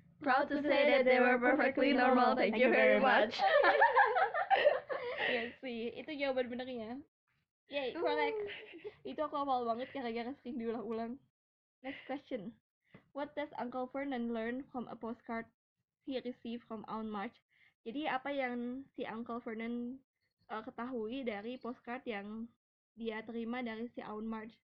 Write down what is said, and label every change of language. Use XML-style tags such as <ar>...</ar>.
<en>Proud to say that they were perfectly normal. Thank you very much.</en> <id>Iya sih, itu jawaban benernya.</id> <en>Yay, correct.</en> <id>Itu aku awal banget gara-gara sering diulang-ulang.</id> <en>Next question. What does Uncle Vernon learn from a postcard he received from Aunt March?</en> <id>Jadi apa yang si Uncle Vernon ketahui dari postcard yang dia terima dari si Aunt March?</id>